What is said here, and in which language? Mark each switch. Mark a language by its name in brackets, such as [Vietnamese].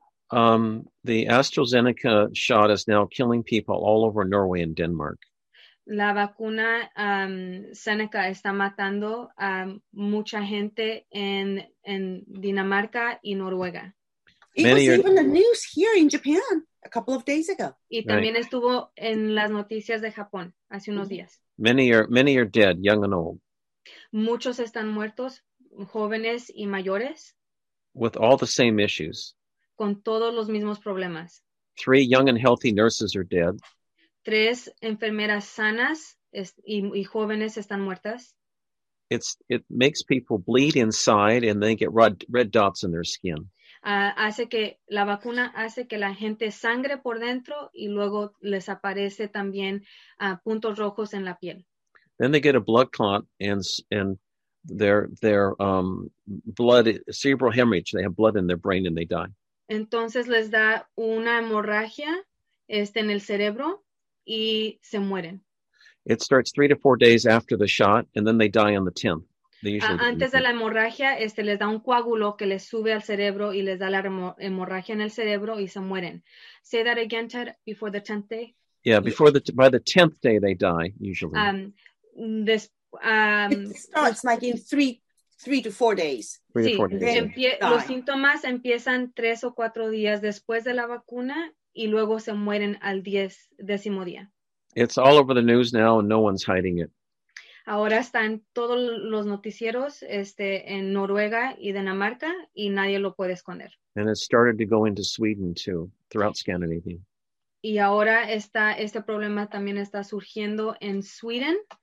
[English] The AstraZeneca shot is now killing people all over Norway and Denmark. [Spanish] La vacuna Seneca está matando a mucha gente en Dinamarca y Noruega. [English] Even the news here in Japan a couple of days ago. [Spanish] Y también estuvo en las noticias de Japón hace unos días. [English] Many are dead, young and old. [Spanish] Muchos están muertos, jóvenes y mayores. [English] With all the same issues. [Spanish] Con todos los mismos problemas. [English] 3 young and healthy nurses are dead. [Spanish] 3 enfermeras sanas y jóvenes están muertas. [English] It makes people bleed inside and they get red dots in their skin. [Spanish] Hace que la vacuna hace que la gente sangre por dentro y luego les aparece también puntos rojos en la piel. [English] Then they get a blood clot and their blood cerebral hemorrhage. They have blood in their brain and they die. [Spanish] Entonces les da una hemorragia en el cerebro y se mueren. [English] It starts 3 to 4 days after the shot, and then they die on the 10th. [Spanish] Antes de la hemorragia, les da un coágulo que les sube al cerebro y les da la hemorragia en el cerebro y se mueren. [English] Say that again, Ted, before the 10th day? Yeah, before by the 10th day, they die, usually. It starts like in three to four days. [Spanish] Los síntomas empiezan 3 o 4 días después de la vacuna y luego se mueren al décimo día. [English] It's all over the news now and no one's hiding it. [Spanish] Ahora están todos los noticieros en Noruega y Dinamarca y nadie lo puede esconder. [English] And it started to go into Sweden too, throughout Scandinavia. [Spanish] Y ahora este problema también está surgiendo en Sweden.